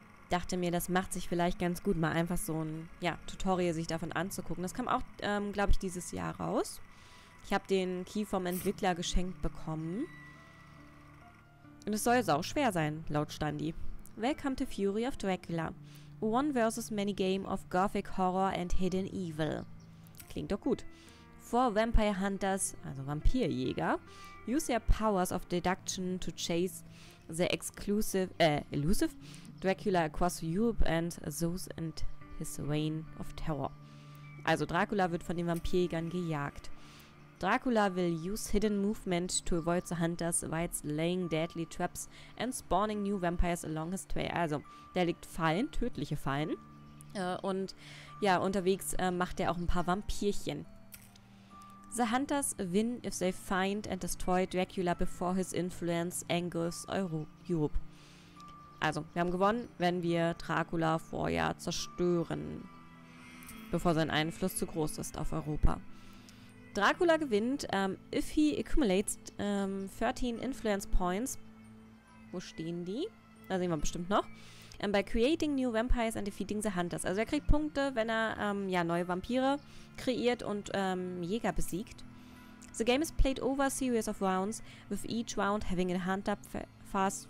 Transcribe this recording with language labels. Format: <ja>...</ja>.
<de>Dachte mir, das macht sich vielleicht ganz gut, mal einfach so ein Tutorial sich davon anzugucken. Das kam auch, glaube ich, dieses Jahr raus. Ich habe den Key vom Entwickler geschenkt bekommen. Und es soll jetzt auch schwer sein, laut Standi.</de> <en>Welcome to Fury of Dracula. One versus many game of gothic horror and hidden evil.</en> <de>Klingt doch gut.</de> <en>Four vampire hunters,</en> <de>also Vampirjäger,</de> <en>use their powers of deduction to chase the elusive Dracula across Europe and those in his reign of terror.</en> <de>Also Dracula wird von den Vampirjägern gejagt.</de> <en>Dracula will use hidden movement to avoid the hunters whilst laying deadly traps and spawning new vampires along his trail.</en> <de>Also, der legt Fallen, tödliche Fallen. Und ja, unterwegs macht er auch ein paar Vampirchen.</de> <en>The hunters win if they find and destroy Dracula before his influence angers Europe.</en> <de>Also, wir haben gewonnen, wenn wir Dracula vorher zerstören, bevor sein Einfluss zu groß ist auf Europa. Dracula gewinnt,</de> <en>if he accumulates 13 influence points.</en> <de>Wo stehen die? Da sehen wir bestimmt noch.</de> <en>By creating new vampires and defeating the hunters.</en> <de>Also er kriegt Punkte, wenn er neue Vampire kreiert und Jäger besiegt.</de> <en>The game is played over a series of rounds, with each round having a hunter phase.</en>